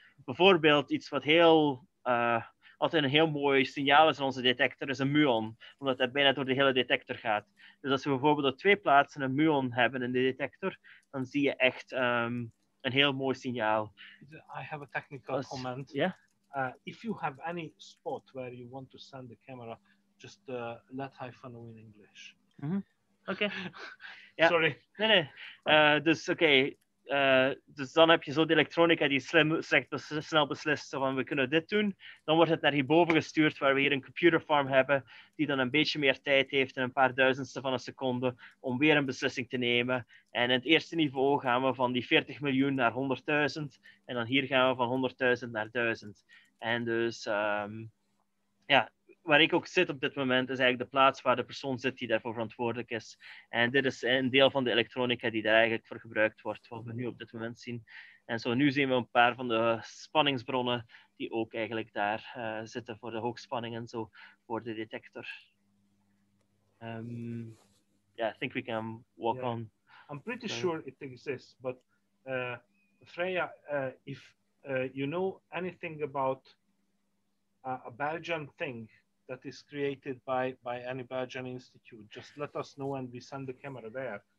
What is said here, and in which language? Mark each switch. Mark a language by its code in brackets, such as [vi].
[nl] Bijvoorbeeld iets wat heel... altijd een heel mooi signaal is in onze detector, is een muon, omdat dat bijna door de hele detector gaat. Dus als we bijvoorbeeld op twee plaatsen een muon hebben in de detector, dan zie je echt een heel mooi signaal. [en] I have a technical comment. Yeah? If you have any spot where you want to send the camera, just let I funnel in English. [nl] Mm-hmm. Oké. [en] Okay. Yeah. Sorry. [nl] Nee, nee. Dus oké. Okay. Dus dan heb je zo de elektronica die slim zegt, snel beslist van we kunnen dit doen. Dan wordt het naar hierboven gestuurd waar we hier een computer farm hebben die dan een beetje meer tijd heeft in een paar duizendste van een seconde om weer een beslissing te nemen. En in het eerste niveau gaan we van die 40 miljoen naar 100.000 en dan hier gaan we van 100.000 naar 1000. En dus ja, waar ik ook zit op dit moment is eigenlijk de plaats waar de persoon zit die daarvoor verantwoordelijk is. En dit is een deel van de elektronica die daar eigenlijk voor gebruikt wordt, wat we nu op dit moment zien. En zo nu zien we een paar van de spanningsbronnen die ook eigenlijk daar zitten voor de hoogspanning en zo, voor de detector. [en] Yeah, I think we can walk on. I'm pretty sure it exists, but Freya, if you know anything about a Belgian thing that is created by any Belgian institute, just let us know and we send the camera there.